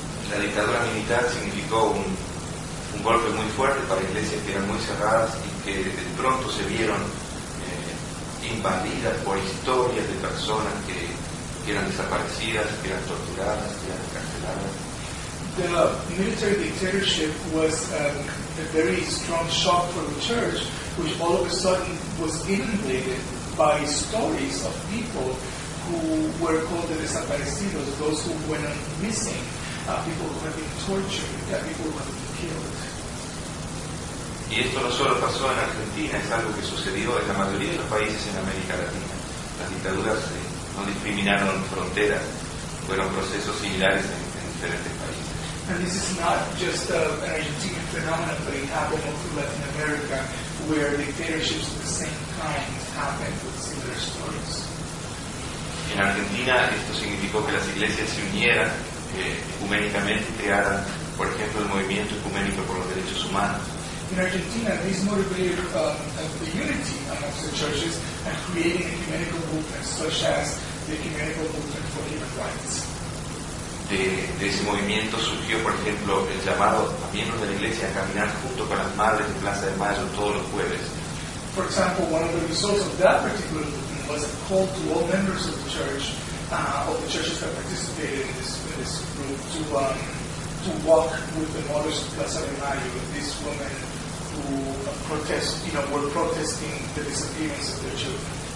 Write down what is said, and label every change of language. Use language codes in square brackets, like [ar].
[es] La dictadura militar significó un golpe muy fuerte para iglesias que eran muy cerradas y que de pronto se vieron invadidas por historias de personas que eran desaparecidas, que eran torturadas, que eran encarceladas. [en] The military dictatorship was a very strong shock for the church, which all of a sudden was inundated by stories of people who were called the desaparecidos, those who went missing, people who had been tortured, people who had been killed. [es] Y esto no solo pasó en Argentina, es algo que sucedió en la mayoría de los países en América Latina. Las dictaduras no discriminaron fronteras, fueron procesos similares en diferentes países. [en] And this is not just an Argentinian phenomenon, but it happened all through Latin America, where dictatorships of the same kind happened with similar stories. [es] En Argentina, esto significó que las iglesias se unieran ecuménicamente y crearan, por ejemplo, el Movimiento Ecuménico por los Derechos Humanos. [en] In Argentina, this motivated the unity amongst the churches and creating ecumenical movements, such as the Ecumenical Movement for Human Rights. [es] De ese movimiento surgió, por ejemplo, el llamado a miembros de la iglesia a caminar junto con las madres en Plaza de Mayo todos los jueves. [en] For example, one of the results of that particular movement was a call to all members of the church, of the churches that participated in this group, to walk with the mothers of Plaza de Mayo, with these women who were protesting the disappearance of their children.